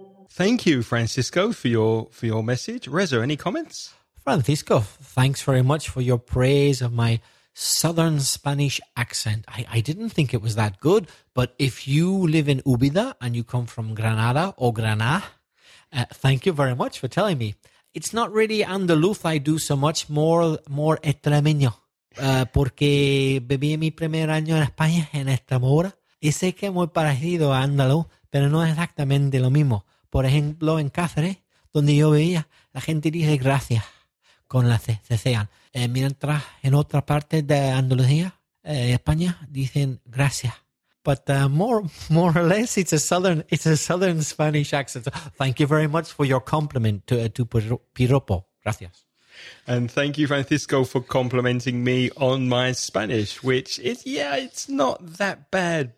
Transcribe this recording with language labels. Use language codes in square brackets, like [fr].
[en] Thank you, Francisco, for your message. Reza, any comments? Francisco, thanks very much for your praise of my Southern Spanish accent. I didn't think it was that good, but if you live in Úbeda and you come from Granada or Granada, thank you very much for telling me. It's not really Andaluz I do so much, more extremeño, [es] porque viví mi primer año en España, en Extremadura, y sé que es muy parecido a Andaluz, pero no es exactamente lo mismo. Por ejemplo, en Cáceres, donde yo vivía, la gente dice gracias. Con la cecean. Mientras en otra parte de Andalucía, España, dicen gracias. [en] But more or less, it's a southern Spanish accent. So thank you very much for your compliment to Piropo. [es] Gracias. [en] And thank you, Francisco, for complimenting me on my Spanish, which is, yeah, it's not that bad.